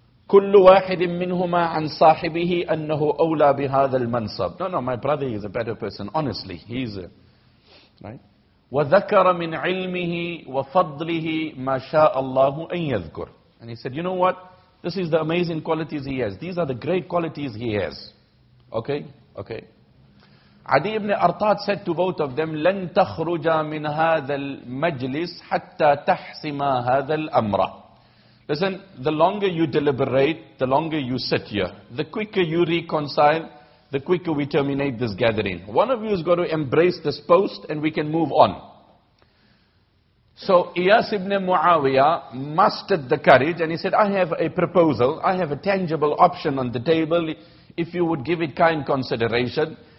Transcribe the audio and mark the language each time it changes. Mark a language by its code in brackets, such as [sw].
[ar] كُلُّ وَاحِدٍ مِّنْهُمَا عَنْ صَاحِبِهِ أَنَّهُ أَوْلَى بِهَذَا الْمَنْصَبِ. [en] No, my brother is a better person. Honestly, he's a... Right? [ar] وَذَكَرَ مِنْ عِلْمِهِ وَفَضْلِهِ مَا شَاءَ اللَّهُ أَنْ يَذْكُرُ. [en] And he said, you know what? This is the amazing qualities he has. These are the great qualities he has. Okay? Adi ibn Artad said to both of them, [ar] لَنْ تَخْرُجَ مِنْ هَذَا الْمَجْلِسِ حَتَّى تَحْسِمَ هَذَا الْأَمْرَ. [en] Listen, the longer you deliberate, the longer you sit here. The quicker you reconcile, the quicker we terminate this gathering. One of you has got to embrace this post and we can move on. So, Iyas ibn Muawiyah mustered the courage and he said, I have a proposal, I have a tangible option on the table, if you would give it kind consideration.